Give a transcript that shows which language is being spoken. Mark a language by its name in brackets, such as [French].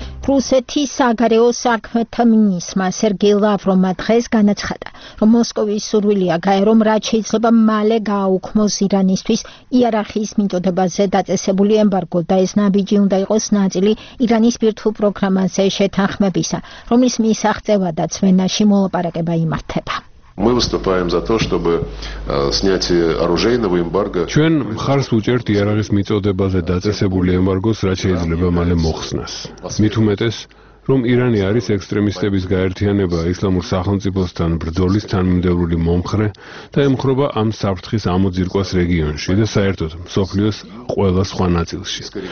[Georgian] რუსეთის საგარეო საქმეთა მინისტრმა სერგეი ლავროვმა დღეს განაცხადა, რომ მოსკოვის სურვილია გაერომ რაც შეიძლება მალე გააუქმოს ირანისთვის იარაღის მიწოდებაზე დაწესებული ემბარგო და ეს ნაბიჯი უნდა იყოს ნაწილი ირანის ბირთვულ პროგრამაზე შეთანხმებისა, რომლის მისაღწევადაც ვენაში მოლაპარაკება იმართება. [Russian] Мы выступаем за то, чтобы снятие оружейного эмбарго. [Georgian] Чვენ მხარს უჭერთ იარაღის მიწოდებაზე დაწესებული ემბარგოს, რაც შეიძლება მალე მოხსნას. მით უმეტეს, რომ ირანი არის ექსტრემისტების გაერთიანება, ისლამურ სახელმწიფოსთან ბრძოლის თანმიმდევრული მომხრე და ემხრობა ამ საფრთხის ამოძირკვას რეგიონში და საერთოდ მსოფლიოს ყველა სხვა ნაწილში.